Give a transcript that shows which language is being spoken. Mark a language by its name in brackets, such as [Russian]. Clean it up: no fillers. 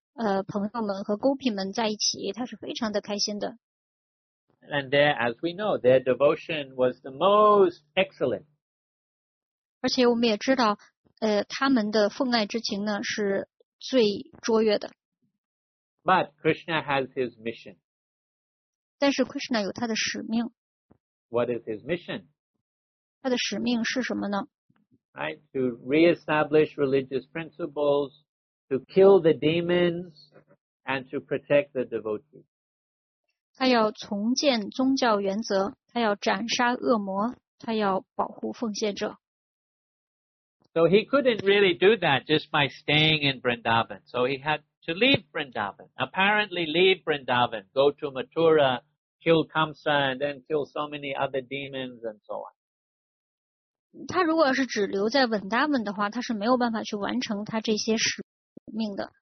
[Chinese] 朋友们和 Gopi 们在一起，他是非常的开心的。 [English] And there, as we know, their devotion was the most excellent. [Chinese] 而且我们也知道他们的奉爱之情呢是最卓越的。 [English] But Krishna has his mission. [Chinese] 但是 Krishna 有他的使命。 [English] What is his mission? [Chinese] 他的使命是什么呢？ [English] Right, to reestablish religious principles, to kill the demons, and to protect the devotees. [Chinese] 他要重建宗教原则，他要斩杀恶魔，他要保护奉献者。 [English] So he couldn't really do that just by staying in Vrindavan. So he had to leave Vrindavan. Apparently leave Vrindavan, go to Mathura, kill Kamsa, and then kill so many other demons and so on. [Chinese] 他如果是只留在 Vrindavan 的话，他是没有办法去完成他这些使命的。